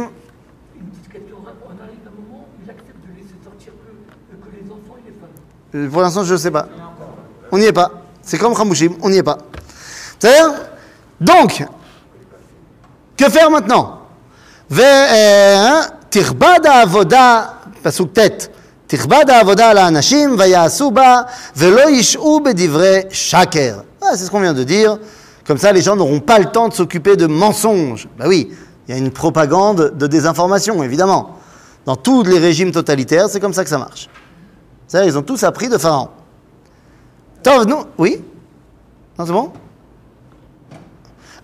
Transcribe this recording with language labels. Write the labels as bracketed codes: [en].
[fr] Une petite question, on arrive à un moment, il accepte de laisser sortir que les enfants et les femmes. Pour l'instant, je sais pas. On n'y est pas. C'est comme Khamouchim, on n'y est pas. C'est-à-dire ? Donc, que faire maintenant ? [he] Tirbada avoda, pasuk tête. תכבד העבודה על האנשים ויעשו בה ולא ישעו בדברי שקר. [fr] Ah, c'est ce qu'on vient de dire. Comme ça, les gens n'auront pas le temps de s'occuper de mensonges. Bah oui, il y a une propagande de désinformation, évidemment. Dans tous les régimes totalitaires, c'est comme ça que ça marche. C'est-à-dire, ils ont tous appris de Pharaon. Tov, nous... Oui ? Non, c'est bon ?